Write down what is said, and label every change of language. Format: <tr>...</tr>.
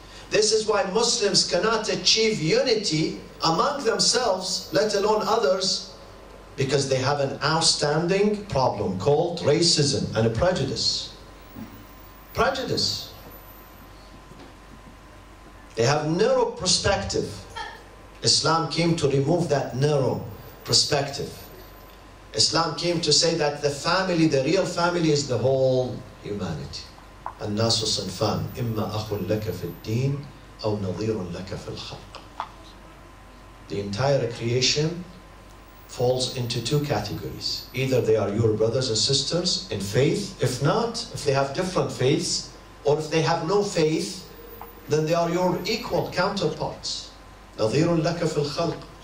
<en>This is why Muslims cannot achieve unity among themselves, let alone others, because they have an outstanding problem called racism and a prejudice. Prejudice. They have narrow perspective. Islam came to remove that narrow perspective. Islam came to say that the family, the real family, is the whole humanity.</en> <ar>الناس صنفان إما أخ لك في الدين أو نظير لك في الخلق.</ar> <en>The entire creation falls into two categories. Either they are your brothers and sisters in faith. If not, if they have different faiths, or if they have no faith, then they are your equal counterparts.</en> <ar>نظير لك في الخلق.</ar>